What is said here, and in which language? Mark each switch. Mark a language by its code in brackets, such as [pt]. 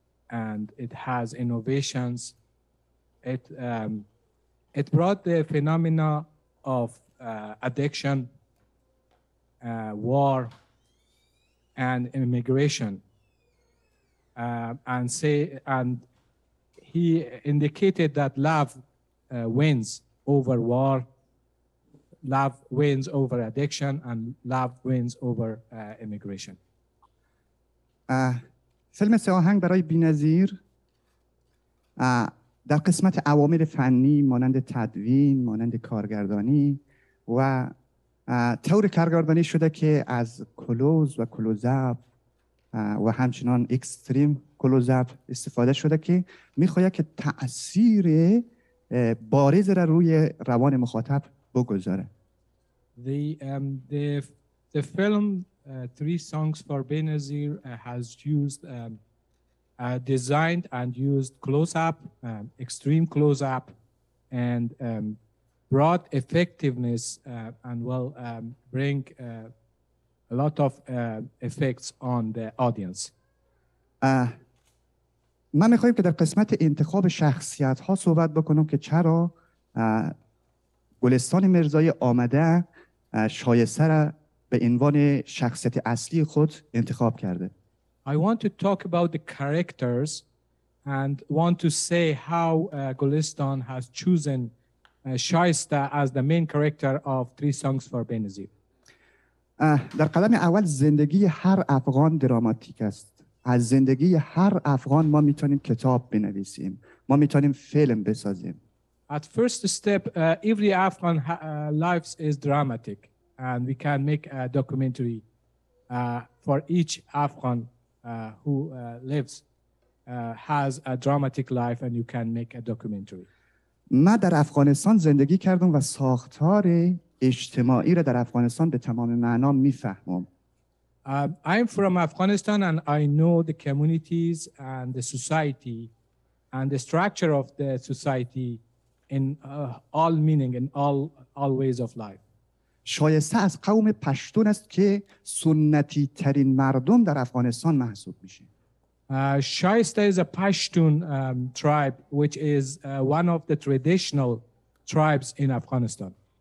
[en] and it has innovations. It it brought the phenomena of addiction, war, and immigration, and say, and he indicated that love wins over war, love wins over addiction, and love wins over immigration. [fa] فیلم سه‌آهنگ برای بی‌نظیر در قسمت عوامل فنی مانند تدوین، مانند کارگردانی و طور کارگردانی شده که از کلوز و کلوزاپ و همچنان اکستریم کلوزاپ استفاده شده که می‌خواد که تأثیر بارز را روی روان مخاطب بگذاره. [en] The film Three Songs for Benazir has used designed and used close-up, extreme close-up, and broad effectiveness, and will bring a lot of effects on the audience. [fa] ما میخوایم که در قسمت انتخاب شخصیت‌ها صحبت بکنم که چرا گلستان مرزایی آمده شایسته را به عنوان شخصیت اصلی خود انتخاب کرده. [en] I want to talk about the characters and want to say how Gulistan has chosen Shaista as the main character of Three Songs for Benazir. [fa] در قدم اول زندگی هر افغان دراماتیک است. از زندگی هر افغان ما میتونیم کتاب بنویسیم. ما میتونیم فیلم بسازیم. [en] At first step, every Afghan life is dramatic. And we can make a documentary for each Afghan who lives, has a dramatic life, and you can make a documentary. [fa] ما در افغانستان زندگی کردم و ساختار اجتماعی را در افغانستان به تمام معنا میفهمم. [en] I'm from Afghanistan, and I know the communities and the society and the structure of the society in all meaning, in all ways of life. [fa] شایسته از قوم پشتون است که سنتی ترین مردم در افغانستان محسوب میشه. [en] شایسته is a Pashtun tribe which is one of the traditional tribes in Afghanistan.